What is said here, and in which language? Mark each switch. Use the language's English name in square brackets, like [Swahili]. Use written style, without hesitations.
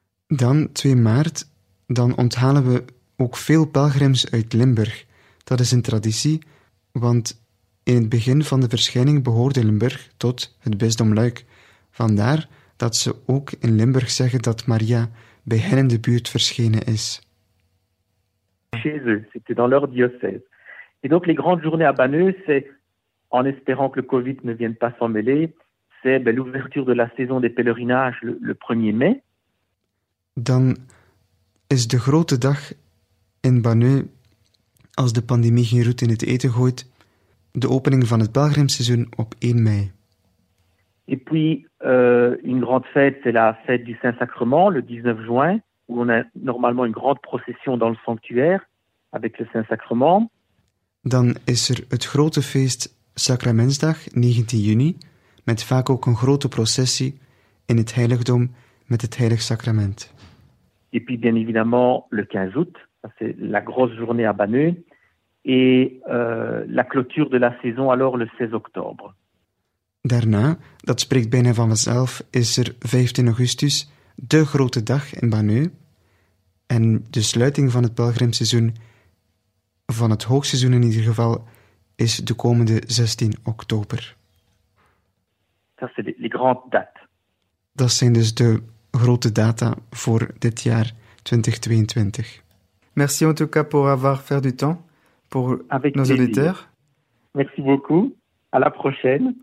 [Dutch] Dan 2 maart, dan onthalen we ook veel pelgrims uit Limburg. Dat is een traditie, want in het begin van de verschijning behoorde Limburg tot het bisdom Luik. Vandaar dat ze ook in Limburg zeggen dat Maria bij hen in de buurt verschenen is. [French] Chez eux, c'était dans leur diocèse. Et donc les grandes journées à Banneux, c'est en espérant que le Covid ne vienne pas s'en mêler, c'est l'ouverture de la saison des pèlerinages le 1er mai. [Dutch] Dan is de grote dag in Banneux, als de pandemie geen roet in het eten gooit, de opening van het pelgrimseizoen op 1 mei. [French] Et puis, une grande fête, c'est la fête du Saint-Sacrement, le 19 juin, où on a normalement une grande procession dans le sanctuaire avec le Saint-Sacrement. [Dutch] Dan is er het grote feest Sacramentsdag, 19 juni, met vaak ook een grote processie in het heiligdom met het heilig sacrament. [French] Et puis, bien évidemment, le 15 août, c'est la grosse journée à Banneux, et la clôture de la saison, alors, le 16 octobre. [Dutch] Daarna, dat spreekt bijna van mezelf, is er 15 augustus, de grote dag in Banneux, en de sluiting van het pelgrimseizoen, van het hoogseizoen in ieder geval, is de komende 16 oktober. [French] Ça, c'est les grandes dates. [Dutch] Dat zijn dus de grote data voor dit jaar 2022. [French] Merci en tout cas pour avoir fait du temps pour Avec nos plaisir. Auditeurs. Merci beaucoup. À la prochaine.